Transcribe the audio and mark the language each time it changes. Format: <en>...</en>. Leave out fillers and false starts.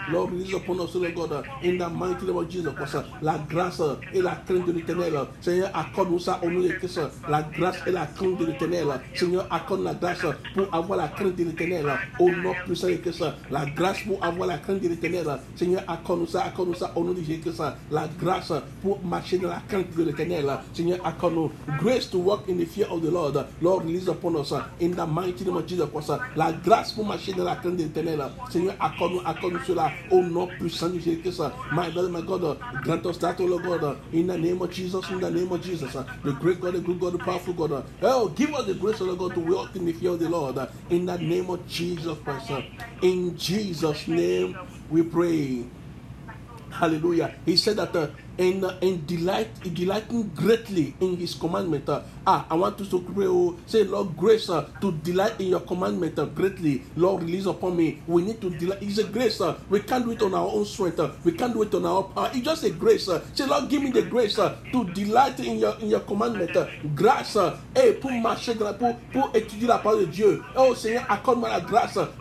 <en>Lord, release upon us, Lord God, in the mighty name of Jesus Christ.</en> <fr>La grâce et la crainte de l'éternel. Seigneur, accorde-nous ça au nom de Christ. La grâce et la crainte de l'éternel. Seigneur, accorde la grâce pour avoir la crainte de l'éternel. Au nom puissant de Christ. La grâce pour avoir la crainte de l'éternel. Seigneur, accorde-nous ça au nom de Jésus Christ. La grâce pour marcher dans la crainte de l'éternel. Seigneur, accorde-nous.</fr> <en>Grace to walk in the fear of the Lord. Lord, release upon us in the mighty name of Jesus Christ.</en> <fr>La grâce pour marcher dans la crainte de l'éternel. Seigneur, accorde-nous cela au nom puissant de Jésus Christ.</fr> <en>My brother, my God, grant us that, oh Lord God, in the name of Jesus, in the name of Jesus. The great God, the good God, the powerful God. Oh, give us the grace, oh Lord God, to walk in the fear of the Lord. In the name of Jesus Christ. In Jesus' name we pray. Hallelujah. He said that delighting greatly in his commandment. I want us to pray. Say, Lord, grace to delight in your commandment greatly. Lord, release upon me. We need to delight. It's a grace. We can't do it on our own strength. We can't do it on our power. It's just a grace. Say, Lord, give me the grace to delight in your commandment.</en> <fr>Grâce. Hey, pour marcher, pour étudier la parole de Dieu. Oh, Seigneur, accorde-moi la grâce.</fr>